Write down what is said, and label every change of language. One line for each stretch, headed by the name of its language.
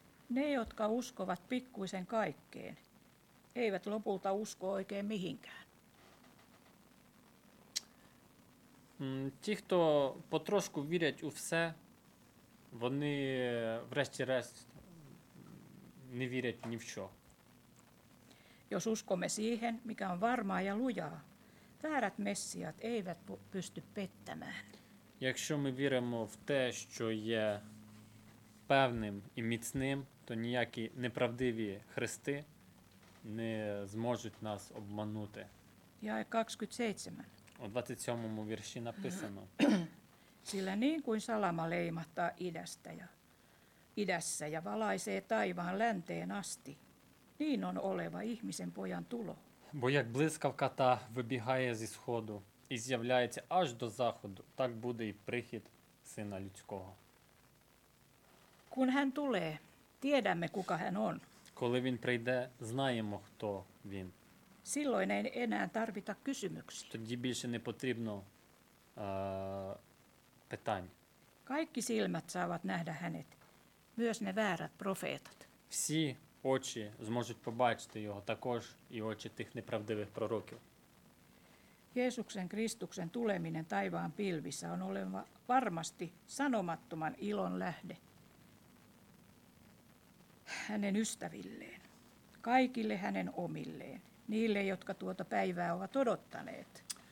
Finnish: Ne, jotka uskovat pikkuisen kaikkeen, eivät lopulta usko oikein mihinkään.
Ukrainian: Ті, хто потрошку вірять у все, вони врешті-решт не вірять ні в що.
Finnish: Jos uskomme siihen, mikä on varmaa ja lujaa, väärät messiat eivät pysty pettämään.
Ukrainian: Якщо ми віримо в те, що є певним і міцним, то ніякі неправдиві хрести не зможуть нас обманути.
Finnish: Jae 27.
Ukrainian: У 27 вірші написано.
Finnish: Sillä niin kuin salama leimahtaa idässä ja valaisee taivaan länteen asti, niin on oleva ihmisen pojan tulo.
Ukrainian: Бо як блискавка та вибігає зі сходу і з'являється аж до заходу, так буде і прихід сина людського.
Finnish: Kun hän tulee, tiedämme kuka hän on.
Ukrainian: Коли він прийде, знаємо хто він.
Finnish: Silloin ei enää tarvita kysymyksiä.
Ukrainian: Тоді більше не потрібно питань.
Finnish: Kaikki silmät saavat nähdä hänet, myös ne väärät profeetat.
Ukrainian: Всі очі зможуть побачити його, також і очі тих неправдивих пророків.
Finnish: Jeesuksen Kristuksen tuleminen taivaan pilvissä on oleva varmasti sanomattoman ilon lähde hänen ystävilleen, kaikille hänen omilleen, niille, jotka tuota päivää ovat odottaneet.